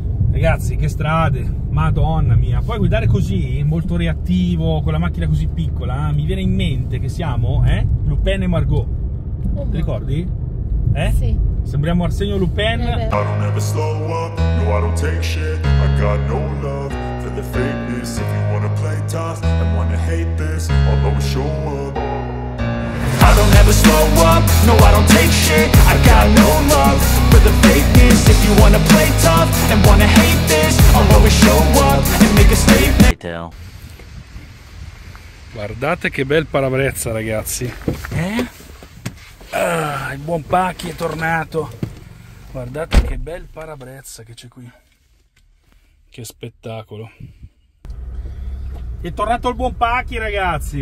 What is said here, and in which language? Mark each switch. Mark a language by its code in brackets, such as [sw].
[it] Ragazzi, che strade, madonna mia. Poi guidare così, molto reattivo, con la macchina così piccola, mi viene in mente che siamo, Lupin e Margot. Oh, ti ricordi? Sì. Sembriamo Arsenio Lupin. [en] I don't ever slow up, no I don't take shit, I got no love for the famous. If you wanna play tough and wanna hate this, I'll always show up. I don't ever slow up, no I don't take shit, I got no love for the famous. If you wanna play tough and wanna hate this, I'll always show up and make a statement. [it] Guardate che bel parabrezza, ragazzi. Il buon Pacchi è tornato. Guardate che bel parabrezza che c'è qui. Che spettacolo. È tornato il buon Pacchi, ragazzi.